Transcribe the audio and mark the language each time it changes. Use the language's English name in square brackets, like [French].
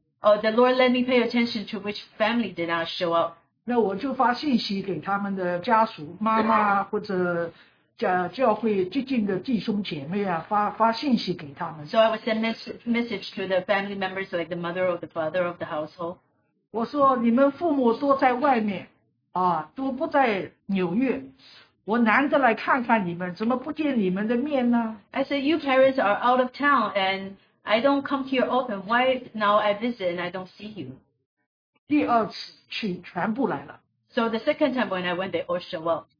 [English] Oh, the Lord let me pay attention to which family did not show up. [Chinese] 那我就发信息给他们的家属妈妈或者 教会最近的弟兄姐妹啊，发信息给他们。 [English] So I would send message to the family members like the mother or the father of the household. [Chinese] 我说你们父母都在外面啊，都不在纽约。我难得来看看你们，怎么不见你们的面呢？ [English] I said you parents are out of town and I don't come here often. Why now I visit and I don't see you? [Chinese] 第二次去全部来了。 [English] So the second time when I went they all show up.